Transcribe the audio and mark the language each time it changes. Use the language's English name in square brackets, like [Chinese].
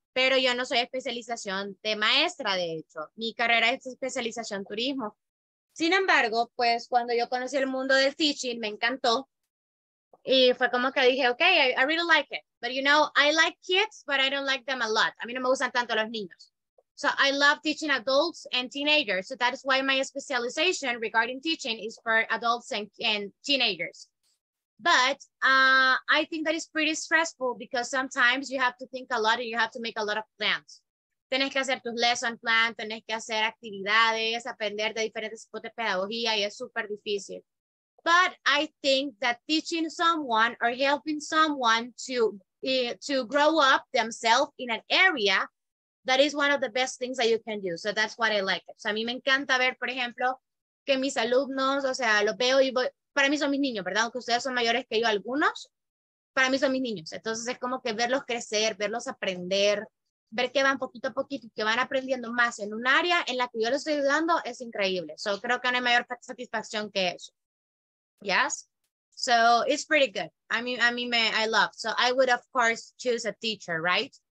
[Spanish] Pero yo no soy especialización de maestra, de hecho. Mi carrera es especialización turismo. Sin embargo, pues cuando yo conocí el mundo del teaching, me encantó. Y fue como que dije, okay, [English] I really like it. But you know, I like kids, but I don't like them a lot. [Spanish] A mí no me gustan tanto los niños. [English] So I love teaching adults and teenagers. So that is why my specialization regarding teaching is for adults and teenagers. But I think that is pretty stressful because sometimes you have to think a lot and you have to make a lot of plans. [Spanish] Tienes que hacer tus lesson plans, tienes que hacer actividades, aprender de diferentes tipos de pedagogía y es súper difícil. [English] But I think that teaching someone or helping someone to grow up themselves in an area, that is one of the best things that you can do. So that's what I like. [Spanish] So a mí me encanta ver, por ejemplo, que mis alumnos, o sea, los veo y voy, para mí son mis niños, ¿verdad? Aunque ustedes son mayores que yo, algunos, para mí son mis niños. Entonces es como que verlos crecer, verlos aprender, ver que van poquito a poquito y que van aprendiendo más en un área en la que yo les estoy ayudando es increíble. So creo que no hay mayor satisfacción que eso. [English] Yes, so it's pretty good. I love. So I would of course choose a teacher, right?